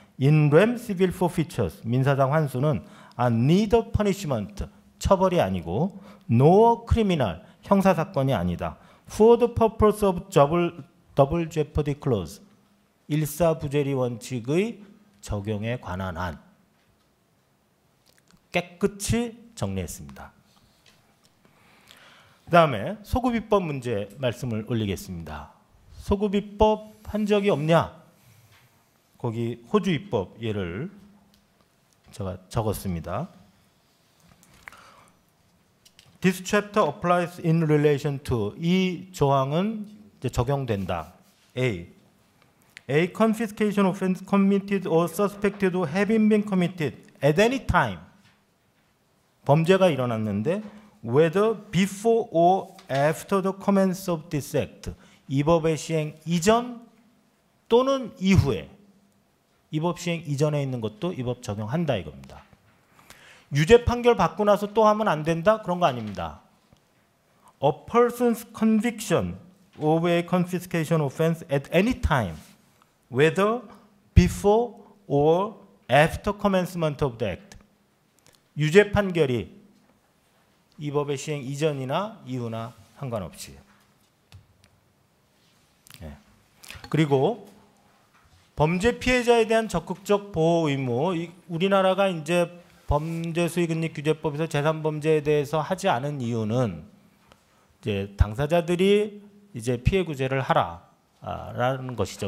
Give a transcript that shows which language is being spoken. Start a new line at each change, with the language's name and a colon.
English: In rem civil forfeitures
Korean: 민사상 환수는
English: a need of punishment
Korean: 처벌이 아니고
English: nor criminal
Korean: 형사 사건이 아니다.
English: For the purpose of double jeopardy clause
Korean: 일사부재리 원칙의 적용에 관한 한 깨끗이 정리했습니다. 그다음에 소급입법 문제 말씀을 올리겠습니다. 소급입법 한 적이 없냐? 거기 호주 입법 예를 제가 적었습니다.
English: This chapter applies in relation to
Korean: 이 조항은 이제 적용된다.
English: A confiscation offense committed or suspected of having been committed at any time.
Korean: 범죄가 일어났는데
English: whether before or after the commence of this act
Korean: 이 법의 시행 이전 또는 이후에 이 법 시행 이전에 있는 것도 이 법 적용한다 이겁니다. 유죄 판결 받고 나서 또 하면 안 된다 그런 거 아닙니다.
English: A person's conviction of a confiscation offense at any time whether before or after commencement of the act
Korean: 유죄 판결이 이 법의 시행 이전이나 이후나 상관없이. 네. 그리고 범죄 피해자에 대한 적극적 보호 의무. 우리나라가 이제 범죄수익은닉규제법에서 재산범죄에 대해서 하지 않은 이유는 이제 당사자들이 이제 피해구제를 하라라는 것이죠.